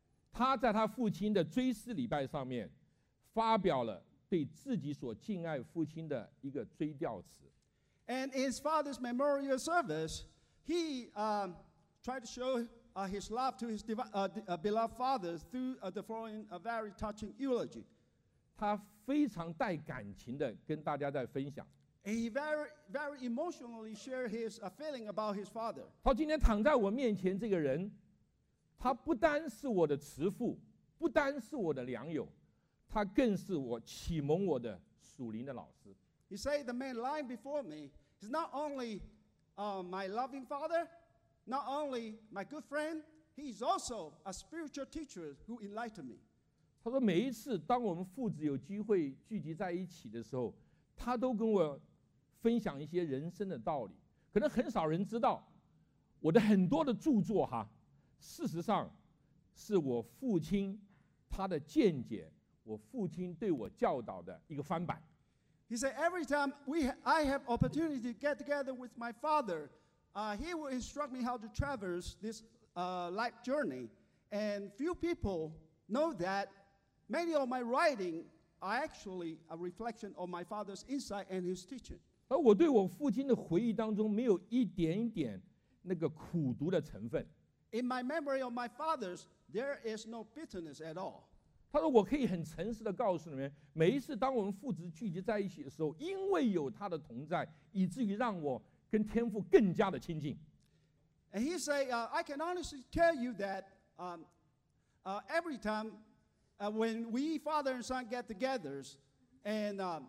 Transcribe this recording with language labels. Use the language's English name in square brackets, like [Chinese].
[Chinese] 他在他父亲的追思礼拜上面发表了对自己所敬爱父亲的一个追悼词。 [English] And in his father's memorial service, he tried to show his love to his beloved father through the following very touching eulogy. [Chinese] 他非常带感情的跟大家在分享。 [English] He very, very emotionally shared his feeling about his father. [Chinese] 他今天躺在我面前这个人，他不单是我的慈父，不单是我的良友，他更是我启蒙我的属灵的老师。 [English] He said the man lying before me is not only my loving father, not only my good friend, he is also a spiritual teacher who enlightened me. [Chinese] 他说每一次当我们父子有机会聚集在一起的时候，他都跟我分享一些人生的道理。可能很少人知道我的很多的著作哈，事实上是我父亲他的见解，我父亲对我教导的一个翻版。 [English] He said every time I have opportunity to get together with my father, he will instruct me how to traverse this life journey. And few people know that many of my writing are actually a reflection of my father's insight and his teaching. [Chinese] 而我对我父亲的回忆当中没有一点点那个苦读的成分。 [English] In my memory of my father's, there is no bitterness at all. [Chinese] 他说我可以很诚实地告诉你们，每一次当我们父子聚集在一起的时候，因为有他的同在，以至于让我跟天父更加的亲近。 [English] And he said, I can honestly tell you that every time when we father and son get together, and